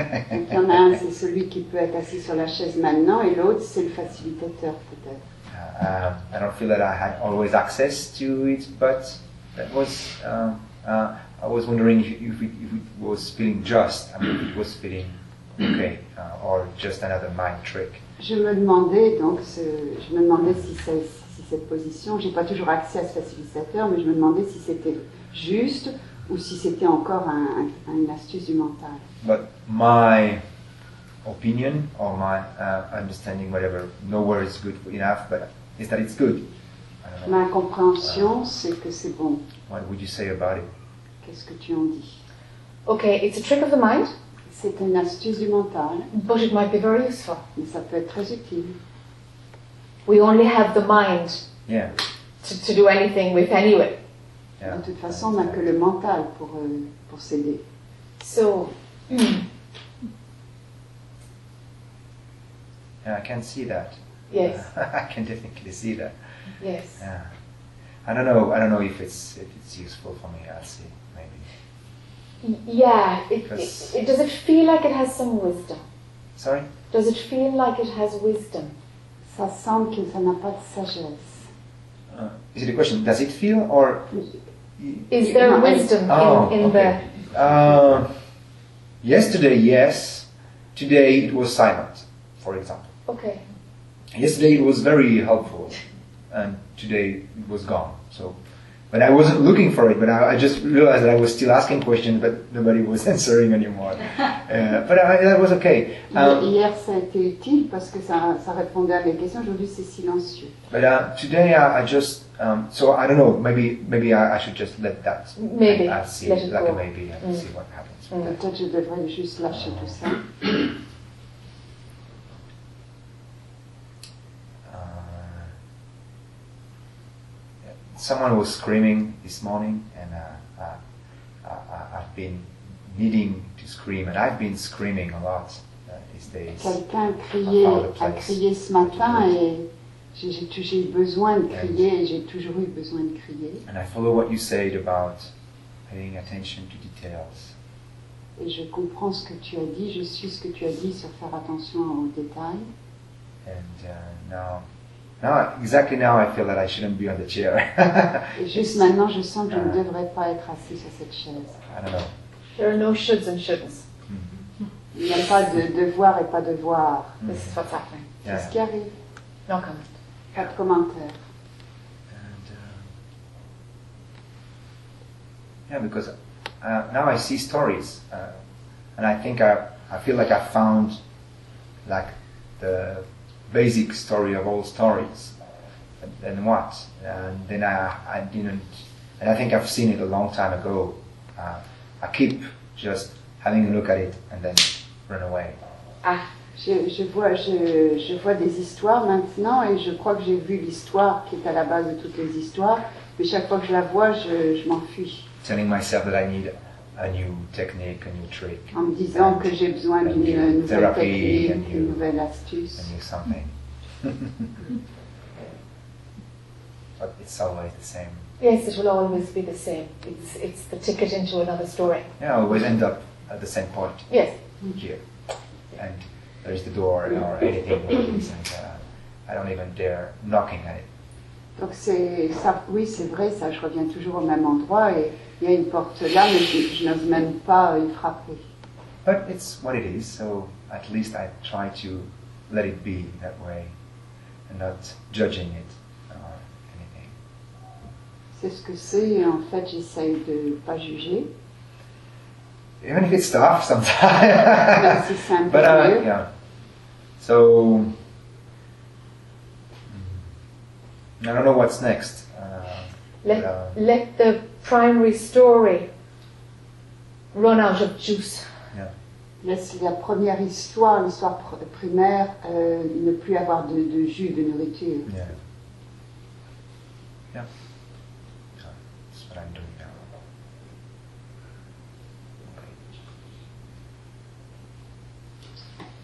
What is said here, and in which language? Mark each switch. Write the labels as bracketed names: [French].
[French] Donc il y en a un, c'est celui qui peut être assis sur la chaise maintenant, et l'autre c'est le facilitateur peut-être. [English] I don't feel that I had always access to it, but that was I was wondering if it was feeling just, I mean, if it was feeling okay, or just another mind trick. [French] Je me demandais donc si cette position, j'ai pas toujours accès à ce facilitateur, mais je me demandais si c'était juste ou si c'était encore une astuce du mental. [English] But my opinion or my understanding, whatever, no word is good enough, but is that it's good. [French] Ma compréhension, c'est que c'est bon. [English] What would you say about it? [French] Qu'est-ce que tu en dis? [English] Okay, it's a trick of the mind. [French] C'est une astuce du mental. [English] But it might be very useful. [French] Mais ça peut être très utile. [English] We only have the mind to do anything with anyway. Yeah. [French] De toute façon, on n'a que le mental pour s'aider. [English] So... Yeah, I can see that. Yes. I can definitely see that. Yes. Yeah. I don't know if it's useful for me. I'll see, maybe. Yeah. It does it feel like it has some wisdom? Sorry? Does it feel like it has wisdom? [French] Ça semble que ça n'a pas de sagesse. [English] Is it a question? Does it feel or... Is there wisdom in the... Yesterday, yes. Today, it was silent, for example. Okay. Yesterday it was very helpful, and today it was gone. So, but I wasn't looking for it, but I just realized that I was still asking questions, but nobody was answering anymore. That was okay. [French] Hier, ça a été utile parce que ça répondait à mes questions. Aujourd'hui, c'est silencieux. [English] But today, I just, so I don't know, maybe I should just let that. Maybe. I'll see, let it like go. A maybe, and see what happens. [French] Peut-être je devrais juste lâcher tout ça. [English] Someone was screaming this morning, and I've been needing to scream, and I've been screaming a lot these days. [French] Quelqu'un a crié ce matin, et j'ai besoin de crier, et j'ai toujours eu besoin de crier. [English] And I follow what you said about paying attention to details. [French] Et je comprends ce que tu as dit, je suis ce que tu as dit sur faire attention aux détails. [English] And now... Now, exactly now, I feel that I shouldn't be on the chair. [French] Juste maintenant, je sens que je ne devrais pas être assis sur cette chaise. [English] I don't know. There are no shoulds and shouldn'ts. Mm-hmm. [French] Il n'y a pas de devoir et pas devoir. Mm-hmm. [English] This is what's happening. [French] Yeah. C'est ce qui arrive. [English] No comment. [French] Pas de commentaire. [English] And, because now I see stories, and I think I feel like I found, like, the... basic story of all stories, and what? And then I didn't, and I think I've seen it a long time ago. I keep just having a look at it and then run away. Ah, [French] Je vois des histoires maintenant et je crois que j'ai vu l'histoire qui est à la base de toutes les histoires. Mais chaque fois que je la vois, je m'enfuis. [English] Telling myself that I need a new technique, a new trick. [French] En me disant que j'ai besoin d'une nouvelle technique, d'une nouvelle astuce. [English] A new something. But it's always the same. Yes, it will always be the same. It's the ticket into another story. Yeah, we'll end up at the same point. Yes. Here. And there's the door or anything. And, I don't even dare knocking at it. [French] Donc c'est ça, oui c'est vrai ça, je reviens toujours au même endroit et il y a une porte là mais je n'ose même pas y frapper. [English] But it's what it is, so at least I try to let it be that way and not judging it or anything. [French] C'est ce que c'est et en fait j'essaye de ne pas juger. [English] Even if it's tough sometimes. [French] Mais c'est simple. [English] But yeah. So... I don't know what's next. Let the primary story run out of juice. Yeah. [French] Laisse la première histoire, l'histoire primaire, ne plus avoir de jus, de nourriture. [English] Yeah. Yeah. That's what I'm doing now.